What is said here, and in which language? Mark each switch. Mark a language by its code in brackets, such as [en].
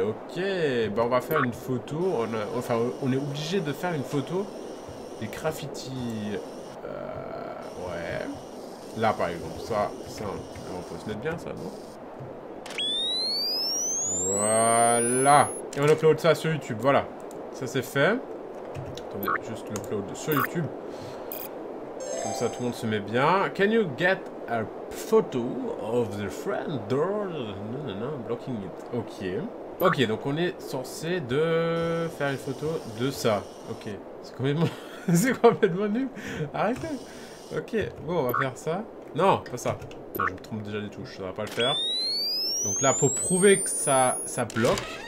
[fr] Ok, on va faire une photo. Enfin, on est obligé de faire une photo des graffitis. Ouais. Là, par exemple, ça, on peut se mettre bien, ça, non? Voilà. Et on upload ça sur YouTube. Voilà. Ça c'est fait. Attendez, juste l'upload sur YouTube. Comme ça tout le monde se met bien. [en] Can you get a photo of the front door? [fr] Non, non, non, [en] blocking it. [fr] Ok. Ok, donc on est censé de faire une photo de ça. Ok. C'est complètement. C'est complètement nul. Arrêtez. Ok, bon, on va faire ça. Non, pas ça. Putain, je me trompe déjà des touches. Ça va pas le faire. Donc là, pour prouver que ça bloque.